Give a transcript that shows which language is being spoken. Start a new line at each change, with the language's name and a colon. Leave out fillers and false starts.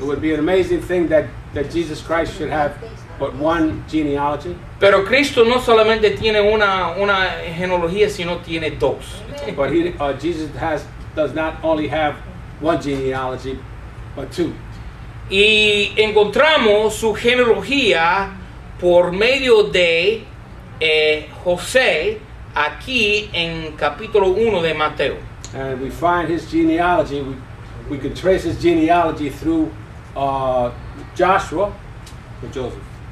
English: It would be an amazing thing that Jesus Christ should have but one genealogy.
Spanish: Pero Cristo no solamente tiene una genealogía, sino tiene dos.
English: But Jesus does not only have one genealogy, but two.
Spanish: Y encontramos su genealogía por medio de José aquí en capítulo 1 de Mateo.
English: And we find his genealogy, we can trace his genealogy through Joshua, or Joseph.